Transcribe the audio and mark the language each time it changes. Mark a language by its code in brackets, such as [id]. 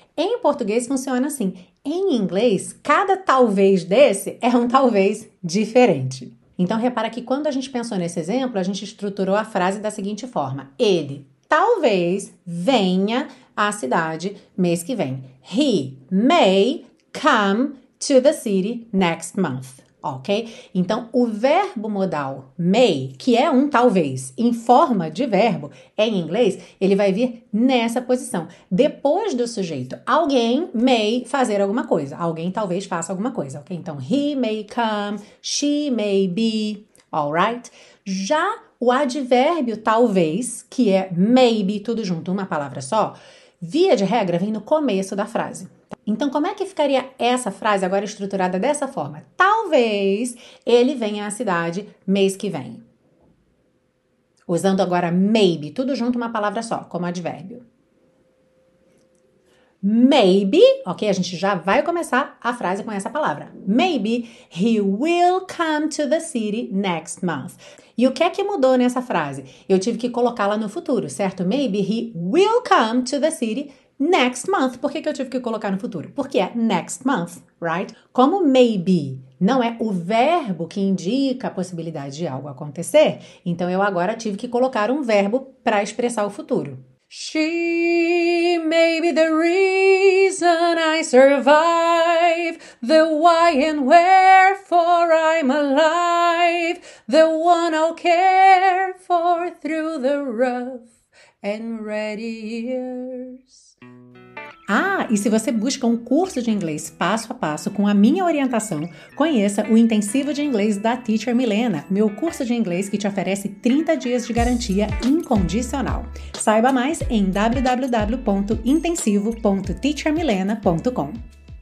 [pt] Em português funciona assim. Em inglês, cada talvez desse é um talvez diferente. Então, repara que quando a gente pensou nesse exemplo, a gente estruturou a frase da seguinte forma. Ele talvez venha à cidade mês que vem. [en] He may come to the city next month. [pt] Ok? Então, o verbo modal may, que é um talvez, em forma de verbo, em inglês, ele vai vir nessa posição. Depois do sujeito, alguém may fazer alguma coisa. Alguém talvez faça alguma coisa, ok? Então, [en] he may come, she may be, alright? [pt] Já o advérbio talvez, que é maybe, tudo junto, uma palavra só, via de regra, vem no começo da frase. Então, como é que ficaria essa frase agora estruturada dessa forma? Talvez ele venha à cidade mês que vem. Usando agora maybe, tudo junto, uma palavra só, como advérbio. Maybe, ok? A gente já vai começar a frase com essa palavra. [en] Maybe he will come to the city next month. [pt] E o que é que mudou nessa frase? Eu tive que colocá-la no futuro, certo? [en] Maybe he will come to the city next month. [pt] Por que que eu tive que colocar no futuro? Porque é [en] next month, right? [pt] Como maybe não é o verbo que indica a possibilidade de algo acontecer, então eu agora tive que colocar um verbo para expressar o futuro. [en] She may be the reason I survive, the why and wherefore I'm alive, the one I'll care for through the rough and ready years. [pt] Ah, e se você busca um curso de inglês passo a passo com a minha orientação, conheça o Intensivo de Inglês da Teacher Milena, meu curso de inglês que te oferece 30 dias de garantia incondicional. Saiba mais em www.intensivo.teachermilena.com.